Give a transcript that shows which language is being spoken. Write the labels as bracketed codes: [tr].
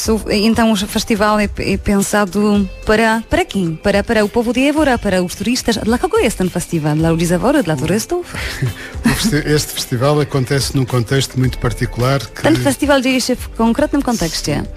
[pt] Então o festival é pensado para quem? Para o povo de Évora, para os turistas. [pl] Dla kogo jest ten festiwal? Dla ludzi z Évora, dla turystów? [pt] Este festival acontece num contexto muito particular. [pl] Ten festiwal dzieje się w konkretnym kontekście.